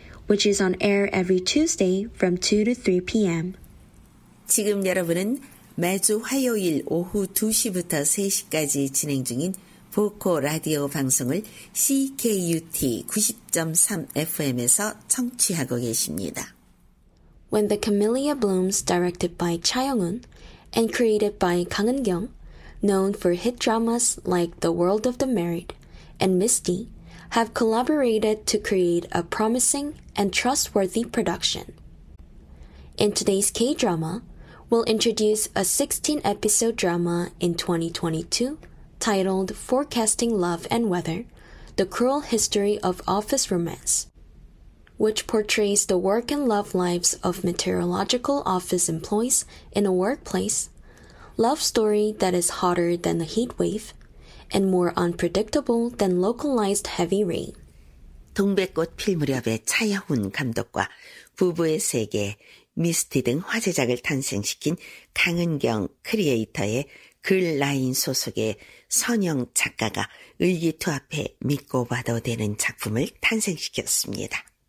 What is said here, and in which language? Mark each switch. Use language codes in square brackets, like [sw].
[en] which is on air every Tuesday from 2 to 3 p.m. [ko] 지금 여러분은 매주 화요일 오후 2시부터 3시까지 진행 중인 보코 라디오 방송을 CKUT 90.3 FM에서 청취하고 계십니다. [en] When the Camellia Blooms, directed by Cha Young-un and created by Kang Eun-kyung, known for hit dramas like The World of the Married and Misty, have collaborated to create a promising and trustworthy production. In today's K-drama, we'll introduce a 16-episode drama in 2022 titled Forecasting Love and Weather, The Cruel History of Office Romance, which portrays the work and love lives of meteorological office employees in a workplace, love story that is hotter than a heat wave, and more unpredictable than localized heavy rain. [ko] 동백꽃 필 무렵의 차여훈 감독과 부부의 세계, 미스티 등 화제작을 탄생시킨 강은경 크리에이터의 글라인 소속의 선영 작가가 의기투합해 믿고 봐도 되는 작품을 탄생시켰습니다.